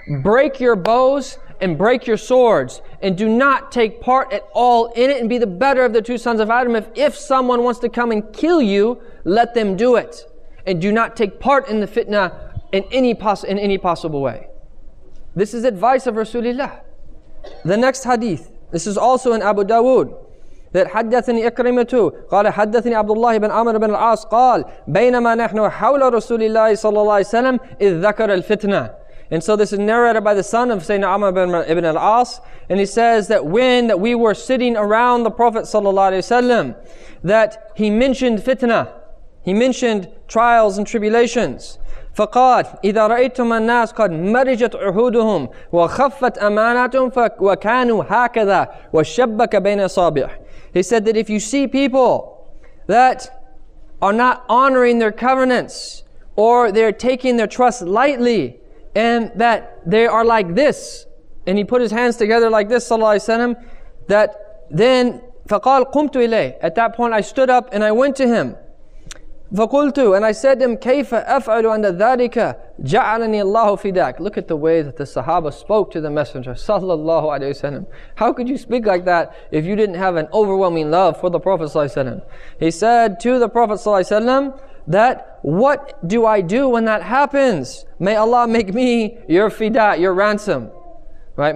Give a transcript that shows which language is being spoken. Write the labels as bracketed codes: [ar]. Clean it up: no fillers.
[en] Break your bows and break your swords, and do not take part at all in it, and be the better of the two sons of Adam. If someone wants to come and kill you, let them do it, and do not take part in the fitna in any possible way. This is advice of Rasulullah. The next hadith, this is also in Abu Dawood, that [ar] حدثني إكرمة قال حدثني عبد الله بن عمر بن العاص قال بينما نحن حول رسول الله صلى الله عليه وسلم إذ ذكر الفتنة. [en] And so this is narrated by the son of Sayyidina Amr ibn al-As, and he says that when that we were sitting around the Prophet صلى الله عليه وسلم, that he mentioned fitna, he mentioned trials and tribulations. [ar] فقال إذا رأيتم الناس قد مرجت عهودهم وخفت أماناتهم وكانوا هكذا وشبك بين أصابعه. [en] He said that if you see people that are not honoring their covenants, or they're taking their trust lightly, and that they are like this, and he put his hands together like this, صلى الله عليه وسلم, that then [ar] فقال قمت إليه. [en] At that point I stood up and I went to him. [ar] فَقُلْتُ [en] And I said to him, [ar] كَيْفَ أَفْعَلُ عَنَّ ذَٰلِكَ جَعَلَنِي اللَّهُ فِدَاكَ. [en] Look at the way that the Sahaba spoke to the Messenger صلى الله عليه وسلم. How could you speak like that if you didn't have an overwhelming love for the Prophet صلى الله عليه وسلم? He said to the Prophet صلى الله عليه وسلم, that what do I do when that happens? May Allah make me your fida, your ransom. Right?